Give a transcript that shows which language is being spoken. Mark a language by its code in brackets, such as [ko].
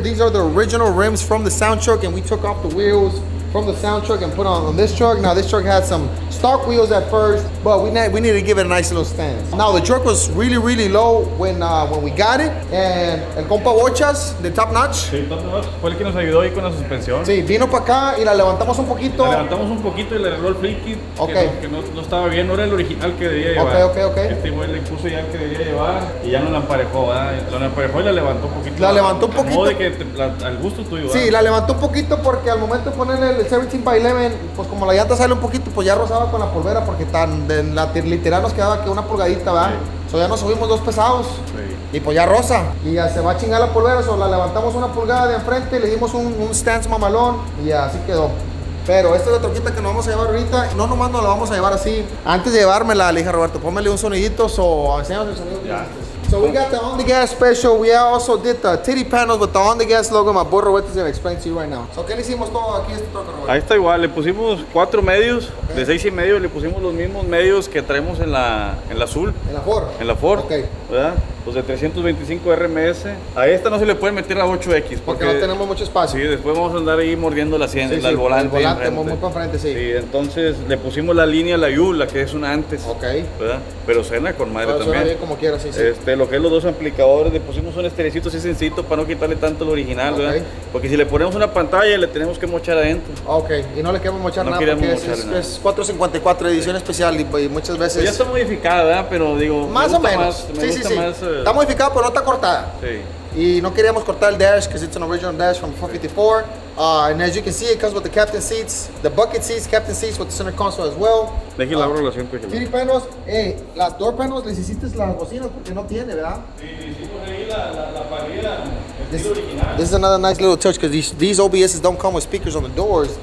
[en] These are the original rims from the sound truck, and we took off the wheels from the sound truck and put on this truck. Now, this truck had some stock wheels at first, but we need to give it a nice little stance. Now, the truck was really, really low when we got it, and [es] el compa [en] Bochas, the top notch. [es] Sí, [en] top notch. [es] Fue el que nos ayudó ahí con la suspensión. Sí, vino para acá y la levantamos un poquito. La levantamos un poquito y le arregló el flip kit. Ok. Que no estaba bien, no era el original que debía llevar. Ok. Este güey le puso ya el que debía llevar y ya no la emparejó, ¿verdad? La emparejó y la levantó un poquito. La levantó un poquito. Al modo de que al gusto tuyo, ¿verdad? Sí, la levantó un poquito porque al momento de ponerle el 17x11, pues como la llanta sale un poquito, pues ya rozaba con la polvera porque tan de la literal nos quedaba que una pulgadita, ¿verdad? Sí. So ya nos subimos dos pesados. Sí. Y pues ya rosa. Y ya se va a chingar la polvera, so la levantamos una pulgada de enfrente, le dimos un stance mamalón y así quedó. Pero esta es la troquita que nos vamos a llevar ahorita. No nomás nos la vamos a llevar así. Antes de llevármela, le dije a Roberto, pónmele un sonidito, so enseñamos el sonido. [en] So we got the On The Gas special. We also did the titty panels with the On The Gas logo. My boy Roberto is going to explain to you right now. [es] So, ¿qué le hicimos todo aquí a este troca, Roberto? Ahí está igual. Le pusimos 4 medios. Okay. De 6 y medio le pusimos los mismos medios que traemos en la azul. ¿En la Ford? En la Ford. Ok. ¿Verdad? Los de 325 RMS. A esta no se le puede meter la 8X. Porque no tenemos mucho espacio. Sí, después vamos a andar ahí mordiendo la sien, sí, el volante. El volante, muy para frente, sí. Sí, entonces le pusimos la línea, la U, la que es una antes. Ok. ¿Verdad? Pero suena con madre. Pero también. Suena bien como quiera, sí, sí. Lo que es los dos amplificadores, le pusimos un estereocito así sencillo para no quitarle tanto el original, okay. ¿Verdad? Porque si le ponemos una pantalla, le tenemos que mochar adentro. Ok, y no le queremos mochar no nada queremos porque mochar es, nada. Es 454 edición, sí, especial y muchas veces... Ya está modificada, ¿verdad? Pero digo... Más o menos. Más, sí, me sí, sí. Más, está modificada, pero no está cortada. Sí. Y no queríamos cortar el dash, porque es un [en] original dash from 454. And as you can see, it comes with the captain seats, the bucket seats, captain seats with the center console as well. [es] Dejen la relación con el. Titty panels, las door panels, les hiciste las bocinas porque no tiene, ¿verdad? Sí, hicimos ahí la pared, el original. [en] This is another nice little touch because these OBSs don't come with speakers on the doors.